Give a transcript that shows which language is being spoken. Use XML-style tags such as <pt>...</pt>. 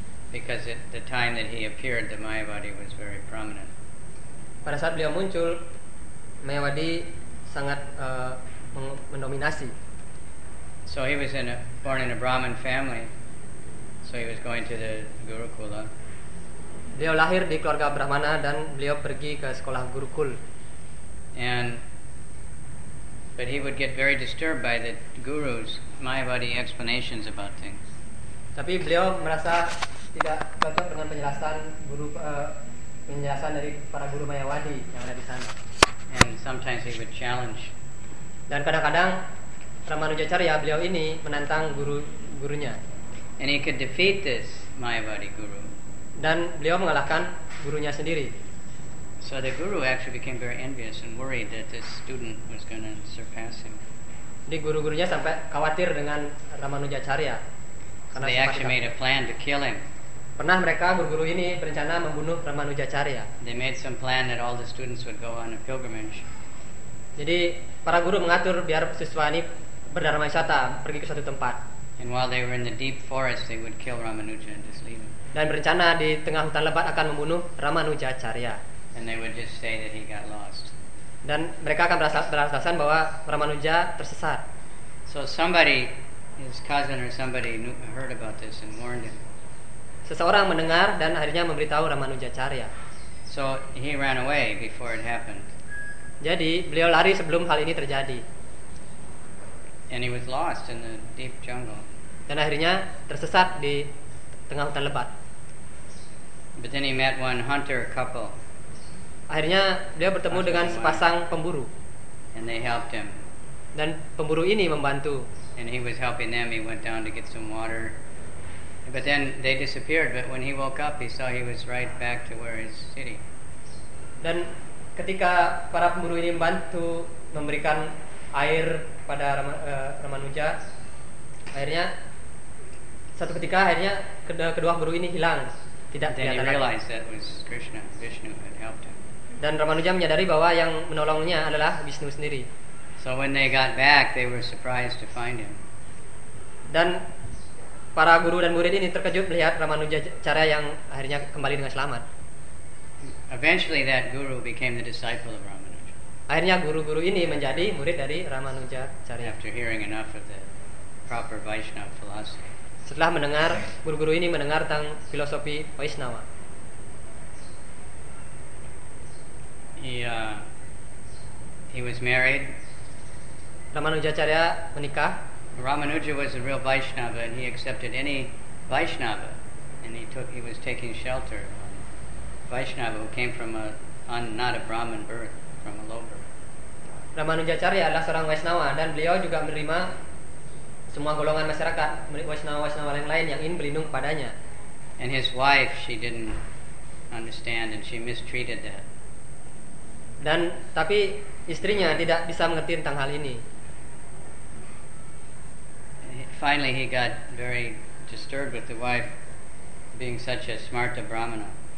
<en>Because at the time that he appeared, the Mayavadi was very prominent.</en> <id>Pada saat beliau muncul, Mayavadi sangat mendominasi.</id> <en>So he was born in a Brahmin family. So he was going to the Gurukula.</en> <id>Beliau lahir di keluarga Brahmana dan beliau pergi ke sekolah Gurukul.</id> <en>But he would get very disturbed by the guru's Mayavadi explanations about things.</en> <id>Tapi beliau merasa tidak cocok dengan penjelasan guru penjelasan dari para guru Mayavadi yang ada di sana.</id> <en>And sometimes he would challenge.</en> <id>Dan kadang-kadang Ramanujacarya beliau ini menantang gurunya.</id> <en>And he could defeat this Mayavadi guru.</en> <id>Dan beliau mengalahkan gurunya sendiri.</id> <en>So the guru actually became very envious and worried that this student was going to surpass him.</en> <id>Jadi guru-gurunya sampai khawatir dengan Ramanujacarya.</id> <en>So they actually made a plan to kill him.</en> <id>Pernah mereka guru-guru ini berencana membunuh Ramanujacarya.</id> <en>They made some plan that all the students would go on a pilgrimage.</en> <id>Jadi para guru mengatur biar siswa ini berdharma wisata pergi ke suatu tempat.</id> <en>And while they were in the deep forest, they would kill Ramanuja and just leave him.</en> <id>Dan berencana di tengah hutan lebat akan membunuh Ramanujacarya.</id> <en>And they would just say that he got lost.</en> <id>Dan mereka akan beralasan bahwa Ramanuja tersesat.</id> <en>So somebody, his cousin or somebody heard about this and warned him.</en> <id>Seseorang mendengar dan akhirnya memberitahu Ramanujacarya.</id> <en>So he ran away before it happened.</en> <id>Jadi beliau lari sebelum hal ini terjadi.</id> <en>And he was lost in the deep jungle.</en> <id>Dan akhirnya tersesat di tengah hutan lebat.</id> <en>But then he met one hunter couple.</en> <id>Akhirnya beliau bertemu dengan sepasang pemburu.</id> <en>And they helped him.</en> <id>Dan pemburu ini membantu.</id> <en>And he was helping them. He went down to get some water. But then they disappeared. But when he woke up, he saw he was right back to where his city.</en> <id>Dan ketika para pemburu ini membantu memberikan air pada Ramanuja, akhirnya satu ketika akhirnya kedua pemburu ini hilang, tidak kelihatan.</id> <en>Then he realized that was Krishna, Vishnu had helped him.</en> <id>Dan Ramanuja menyadari bahwa yang menolongnya adalah Vishnu sendiri.</id> <en>So when they got back, they were surprised to find him.</en> <id>Dan para guru dan murid ini terkejut melihat Ramanuja cara yang akhirnya kembali dengan selamat.</id> <en>Eventually that guru became the disciple of Ramanuja.</en> <id>Akhirnya guru-guru ini menjadi murid dari Ramanuja cara.</id> <en>After hearing enough of the proper Vaishnava philosophy.</en> <id>Setelah mendengar guru-guru ini mendengar tentang filosofi Vaishnava.</id> <en>He was married.</en> <id>Ramanujacarya menikah.</id> <en>Ramanuja was a real Vaishnava, and he accepted any Vaishnava, and he was taking shelter on Vaishnava who came from not a Brahmin birth, from a low birth.</en> <id>Ramanujacarya adalah seorang Vaishnava, dan beliau juga menerima semua golongan masyarakat, Vaishnava-Vaishnava lain yang ingin berlindung kepadanya.</id> <en>And his wife, she didn't understand, and she mistreated that.</en> <id>Dan tapi istrinya tidak bisa mengerti tentang hal ini.</id> <en>Finally, he got very disturbed with the wife being such a smarta brahmana.</en>